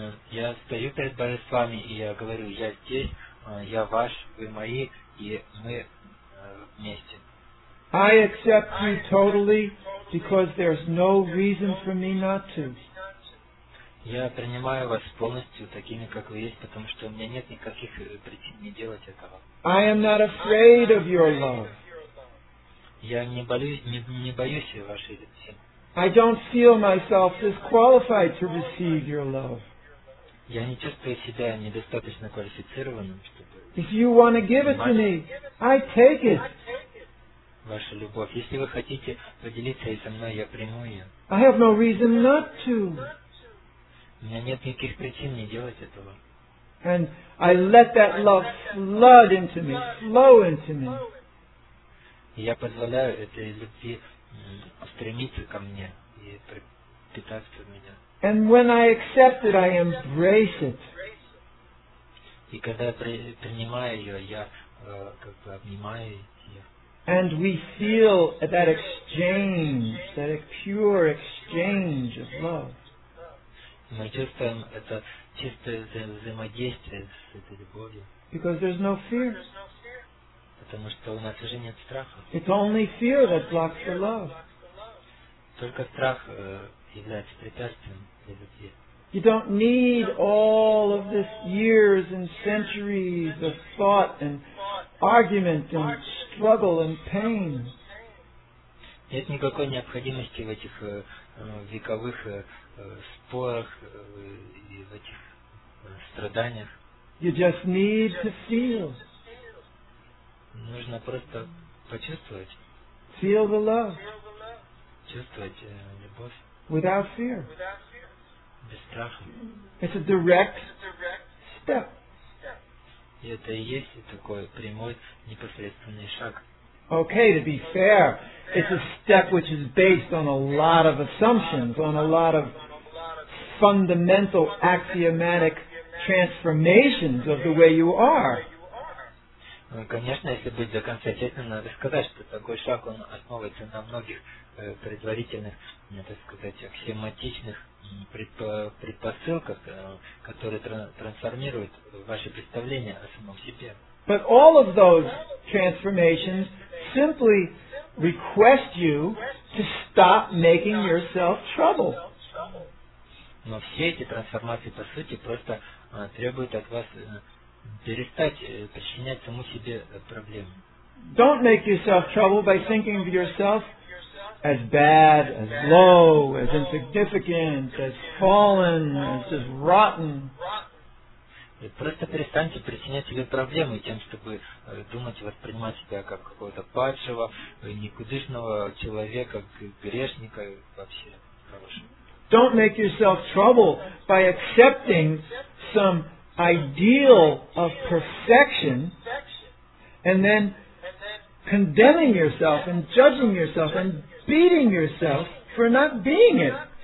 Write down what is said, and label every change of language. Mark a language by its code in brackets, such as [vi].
[ru] Я стою перед божествами, и я говорю, я здесь, я ваш, вы мои, и мы вместе. [en] I accept you totally, because there's no reason for me not to. [ru] Я принимаю вас полностью такими, как вы есть, потому что у меня нет никаких причин не делать этого. [en] I am not afraid of your love. [ru] Я не боюсь вашей любви. [en] I don't feel myself disqualified to receive your love. [ru] Я не чувствую себя недостаточно квалифицированным, чтобы. [en] If you want to give it to me, I take it. [ru] Ваша любовь. Если вы хотите поделиться со мной, я приму ее. [en] I have no reason not to. [ru] У меня нет никаких причин не делать этого. [en] And I let that love flood into me, flow into me. [ru] Я позволяю этой любви стремиться ко мне и питаться в меня. [en] And when I accept it, I embrace it. [ru] И когда я принимаю ее, я как бы обнимаю ее. [en] And we feel that exchange, that pure exchange of love. [ru] Мы чувствуем это чистое взаимодействие с этой любовью. [en] Because there's no fear. [ru] Потому что у нас уже нет страха. [en] It's only fear that blocks the love. [ru] Только страх является препятствием. [en] You don't need all of this years and centuries of thought and argument and struggle and pain. [ru] Нет никакой необходимости в этих вековых спорах и в этих страданиях. [en] You just need to feel. [ru] Нужно просто почувствовать. [en] Feel the love. [ru] Чувствовать любовь. [en] Without fear. [ru] Без страха. [en] It's a direct step. [ru] И это и есть такой прямой, непосредственный шаг. [en] Okay, to be fair, it's a step which is based on a lot of assumptions, on a lot of fundamental axiomatic transformations of the way you are. [ru] Конечно, если быть до конца честным, надо сказать, что такой шаг, он основывается на многих предварительных, так сказать, аксиоматичных предпосылках, которые трансформируют ваше представление о самом себе. [en] But all of those transformations simply request you to stop making yourself trouble. [ru] Но все эти трансформации, по сути, просто требуют от вас перестать причинять саму себе проблемы. [en] Don't make yourself trouble by thinking of yourself as bad, as low, as insignificant, as fallen, as just rotten. [ru] Просто перестаньте причинять себе проблемы тем, чтобы думать и воспринимать себя как какого-то падшего, никудышного человека, грешника вообще хорошего. [en] Don't make yourself trouble by accepting some ideal of perfection and then condemning yourself and judging yourself and beating yourself for not being it.